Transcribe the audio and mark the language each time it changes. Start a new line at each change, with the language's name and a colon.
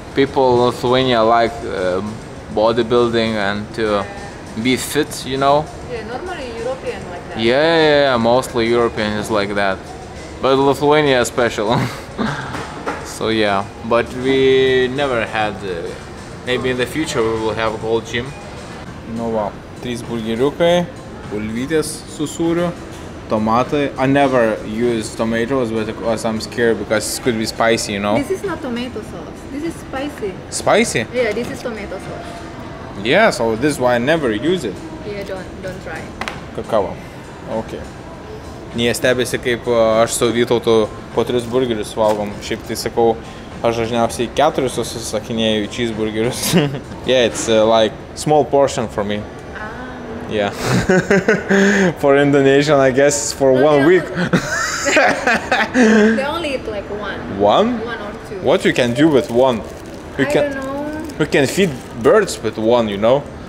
English: People in Lithuania like bodybuilding and to be fit, you know? Yeah, normally European like that. Yeah, mostly European is like that. But Lithuania is special. So yeah, but we never had, maybe in the future we will have a Gold Gym.
Lithuanian: Nu va, 3 burgeriukai, bulvytės su sūriu, tomatai.
English: I never use tomatoes, but I'm scared because it could be spicy, you know? This is not tomato sauce. This is spicy. Spicy? Yeah, this is tomato sauce. Yeah, so this is why I never use it. Yeah, don't try.
Lithuanian: Kakava. Okay. Nie stebėsi, kaip aš su Vytautu po 3 burgerius valgom. Šiaip tai sakau, aš dažniausiai 4 susisakinėjau į cheeseburgerius.
English: Yeah, it's like small portion for me. Ah. Yeah. For Indonesian, I guess, it's for one week. They only eat like one. One? One or two. What you can do with one? I don't know. We can feed birds with one, you know.